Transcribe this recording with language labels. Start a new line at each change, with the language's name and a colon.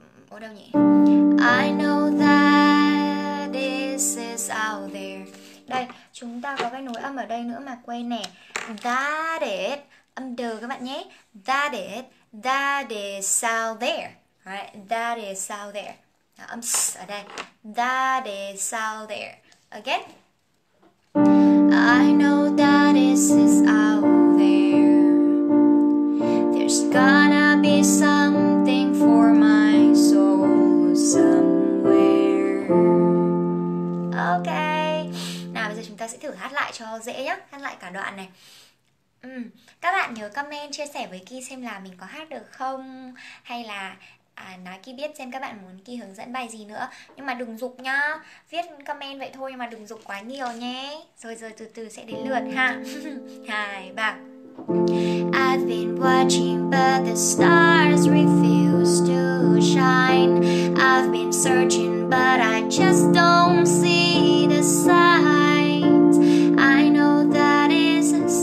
Vietnamese: Ở đâu nhỉ?
English: I know that this is out there.
Vietnamese: Đây, chúng ta có cái nối âm ở đây nữa mà quên nè.
English: That it.
Vietnamese: Âm đờ các bạn nhé. That it.
English: That is out there. Right? That is out there. Now, I'm
Vietnamese: ở đây.
English: That is out there. Again. I know that is out there. There's gonna be something for my soul somewhere. Okay.
Vietnamese: Nào bây giờ chúng ta sẽ thử hát lại cho dễ nhé. Hát lại cả đoạn này. Các bạn nhớ comment chia sẻ với Ki xem là mình có hát được không, hay là nói Ki biết xem các bạn muốn Ki hướng dẫn bài gì nữa. Nhưng mà đừng giục nhá, viết comment vậy thôi nhưng mà đừng giục quá nhiều nhé. Rồi rồi, từ từ sẽ đến lượt ha. Hai ba.
English: I've been watching but the stars refuse to shine. I've been searching but I just don't see the signs. I know that is